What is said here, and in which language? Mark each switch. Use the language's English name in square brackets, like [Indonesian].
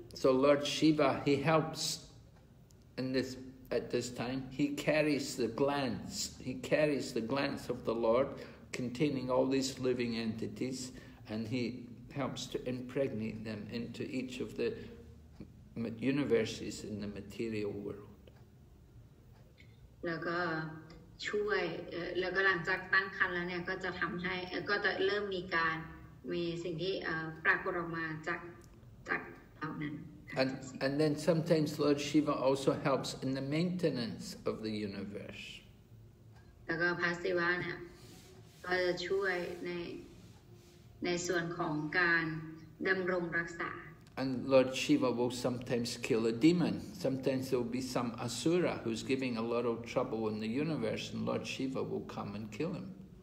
[English] So Lord Shiva he helps in this at this time he carries the glands of the Lord containing all these living entities and he helps to impregnate them into each of theuniverses in the material world [Thai] แล้วก็ช่วยแล้วก็หลังจากตั้งครรภ์แล้วเนี่ยก็จะทำให้ก็จะเริ่มมีการมีสิ่งที่ปรากฏออกมาจากเหล่านั้น [English] And then sometimes Lord Shiva also helps in the maintenance of the universe. And Lord Shiva will sometimes kill a demon. Sometimes there will be some asura who's giving a lot of trouble in the universe, and Lord Shiva will come and kill him.